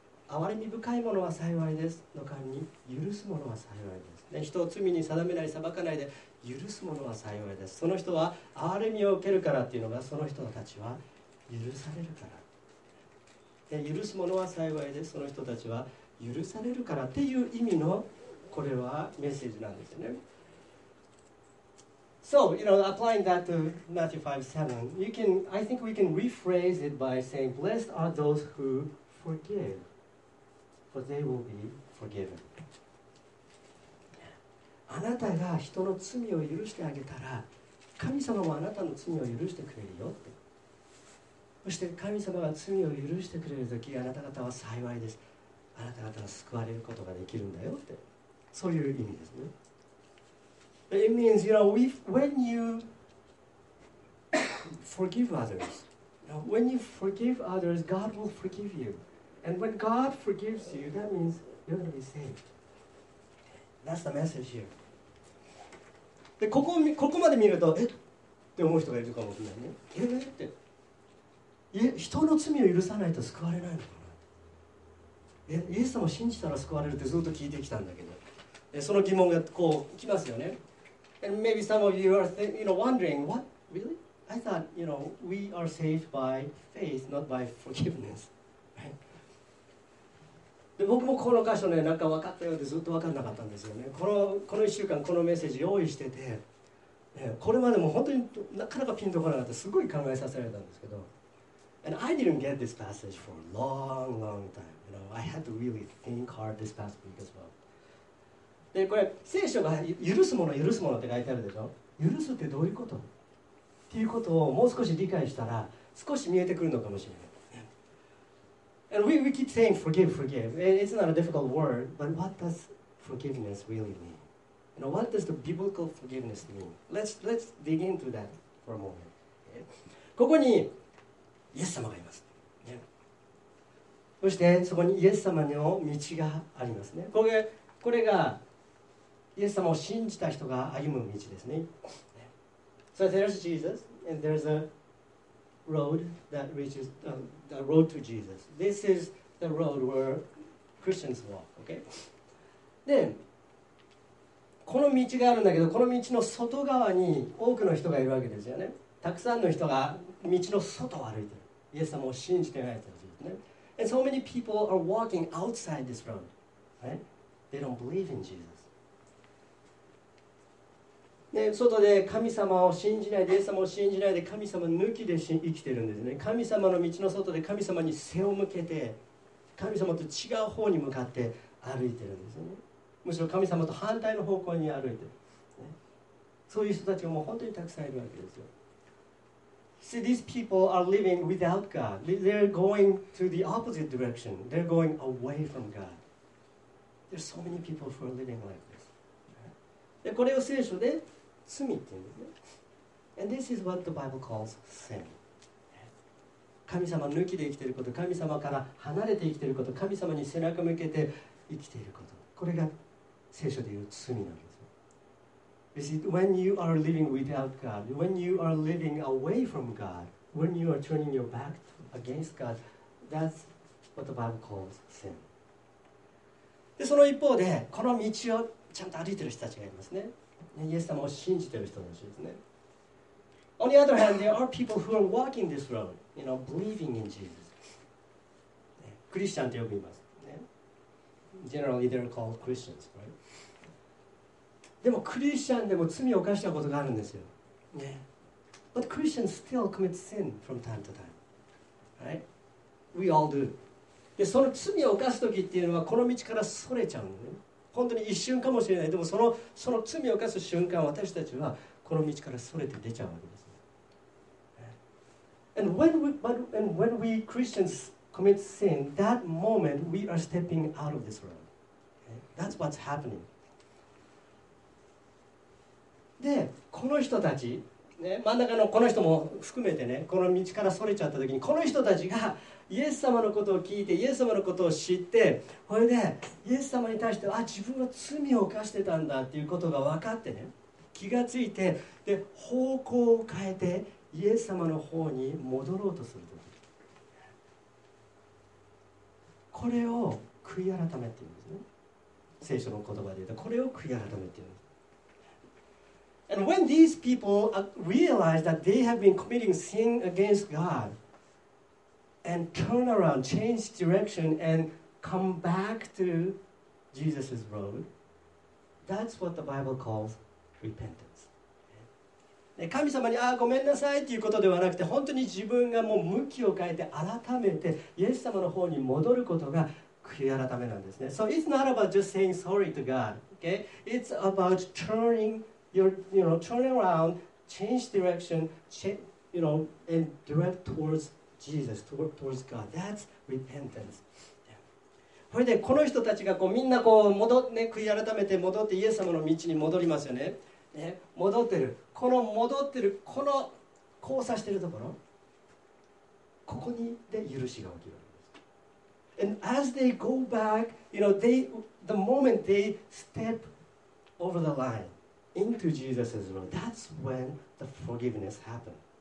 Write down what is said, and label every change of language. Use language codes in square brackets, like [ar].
[ja] 憐れみ深いものは幸いですの間に、許すものは幸いです、ね、人を罪に定めない、裁かないで許すものは幸いです。その人は憐れみを受けるからっていうのが、その人たちは許されるから、で、許すものは幸いです、その人たちは許されるからっていう意味の、これはメッセージなんですね。 [en] So, you know, applying that to Matthew 5:7, I think we can rephrase it by saying, Blessed are those who forgive. For they will be forgiven. [ja] あなたが人の罪を許してあげたら、神様もあなたの罪を許してくれるよって。そして神様が罪を許してくれるとき、あなた方は幸いです。あなた方は救われることができるんだよって。そういう意味ですね。 [en] But it means, you know, when you forgive others, when you forgive others, God will forgive you. And when God forgives you, that means you're going to be saved. That's the message here. [ja] で、ここまで見ると、って思う人がいるかもしれないね。って。人の罪を許さないと救われないのかな。イエス様を信じたら救われるってずっと聞いてきたんだけど。その疑問がこう、きますよね。 [en] And maybe some of you are wondering, what? Really? I thought, you know, we are saved by faith, not by forgiveness. [ja] で、僕もこの箇所ね、なんか分かったようでずっと分かんなかったんですよね。この1週間このメッセージ用意してて、ね、これまでも本当になかなかピンとこなかった、すごい考えさせられたんですけど。 [en] And I didn't get this passage for a long, long time. You know, I had to really think hard this past week as well. [ja] で、これ聖書が許すもの、許すものって書いてあるでしょ。許すってどういうことっていうことをもう少し理解したら少し見えてくるのかもしれない。 [en] And we keep saying forgive, forgive. It's not a difficult word, but what does forgiveness really mean? You know, what does the biblical forgiveness mean? Let's dig into that for a moment. [ja] ここにイエス様がいます。そしてそこにイエス様の道がありますね。これがイエス様を信じた人が歩む道ですね。 [en] So there's Jesus, and there's aroad that reaches the road to Jesus. This is the road where Christians walk, okay? [ja] で、この道があるんだけど、この道の外側に多くの人がいるわけですよね。たくさんの人が道の外を歩いてる。イエス様を信じてない人たちですね。 [en] And so many people are walking outside this road, right? They don't believe in Jesus. [ja] ね、外で神様を信じないで、イエス様を信じないで、神様抜きで生きてるんですね。神様の道の外で神様に背を向けて、神様と違う方に向かって歩いてるんですね。むしろ神様と反対の方向に歩いてる、ね、そういう人たちも本当にたくさんいるわけですよ。 [en] See, these people are living without God. They're going to the opposite direction. They're going away from God. There's so many people who are living like this. [ja] で、これを聖書で罪って言うんですね。 [en] And this is what the Bible calls sin. [ja] 神様抜きで生きていること、神様から離れて生きていること、神様に背中向けて生きていること、これが聖書で言う罪なんです。 [en] You see, when you are living without God, when you are living away from God, when you are turning your back against God, that's what the Bible calls sin. [ja] で、その一方で、この道をちゃんと歩いてる人たちがいますね。イエス様を信じてる人たちですね。 [en] On the other hand, there are people who are walking this road, you know, believing in Jesus. [ja] クリスチャンと呼びます。 [en] Generally, they're called Christians, right? [ja] でもクリスチャンでも罪を犯したことがあるんですよ。 [en] But Christians still commit sin from time to time. Right? We all do. [ja] で、その罪を犯すときっていうのは、この道からそれちゃうのね。本当に一瞬かもしれない。でもその罪を犯す瞬間、私たちはこの道からそれて出ちゃうわけです。 [en] And when we Christians commit sin, that moment we are stepping out of this road. That's what's happening. [ja] で、この人たち、ね、真ん中のこの人も含めてね、この道からそれちゃった時に、この人たちがイエス様のことを聞いて、イエス様のことを知って、それでイエス様に対して、あ、自分は罪を犯してたんだっていうことが分かってね、気がついて、で、方向を変えて、イエス様の方に戻ろうとするとき、これを悔い改めって言うんですね。聖書の言葉で言うと、これを悔い改めって言うんです。 [en] And when these people realize that they have been committing sin against God and turn around, change direction and come back to Jesus' road, that's what the Bible calls repentance. [ja] 神様に、ああ、ごめんなさいっていうことではなくて、本当に自分がもう向きを変えて改めてイエス様の方に戻ることが悔い改めなんですね。 [en] So it's not about just saying sorry to God, okay? It's about turning your, you know, turn around, change direction, change, you know, and direct towards Jesus, towards God. That's repentance. [ja] それでこの人たちがこうみんなこう戻って、ね、悔い改めて戻ってイエス様の道に戻りますよね。戻ってる、この戻ってる、この交差してるところ、ここにで許しが起きるんです。 [en] And as they go back, you know, they, the moment they step over the line into Jesus' road, that's when the forgiveness happens.